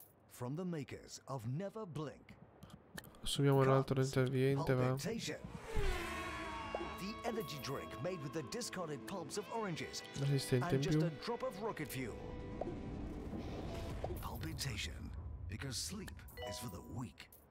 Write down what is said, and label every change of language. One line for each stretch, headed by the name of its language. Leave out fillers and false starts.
English: From the makers of Never Blink.
Italian: Assumiamo un altro interviente, va.
English: The energy drink made with the discarded pulps of oranges.
Italian: L'assistente in più.
English: And just a drop of rocket fuel. Palpitation, because sleep is for the weak.